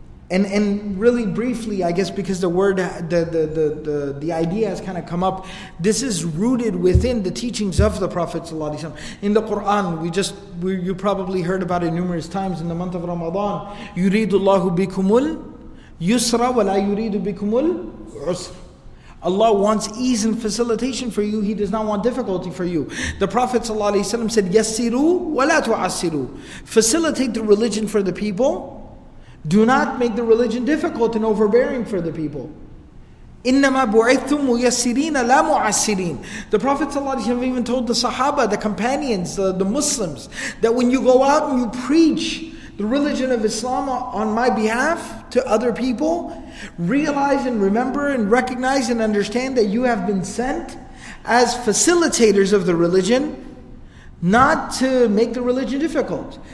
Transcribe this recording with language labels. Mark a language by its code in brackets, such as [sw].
[en] And really briefly, I guess because the word, the idea has kind of come up, this is rooted within the teachings of the Prophet ﷺ. In the Qur'an, you probably heard about it numerous times in the month of Ramadan. [ar] يُرِيدُ اللَّهُ بِكُمُ الْيُسْرَ وَلَا يُرِيدُ بِكُمُ الْعُسْرَ. [en] Allah wants ease and facilitation for you. He does not want difficulty for you. The Prophet ﷺ said, [ar] يَسِّرُوا وَلَا تُعَسِّرُوا. [en] Facilitate the religion for the people. Do not make the religion difficult and overbearing for the people. [ar] إِنَّمَا بُعِثْتُمْ مُيَسِّرِينَ لَا مُعَسِّرِينَ. [en] The Prophet ﷺ even told the Sahaba, the companions, the Muslims, that when you go out and you preach the religion of Islam on my behalf to other people, realize and remember and recognize and understand that you have been sent as facilitators of the religion, not to make the religion difficult.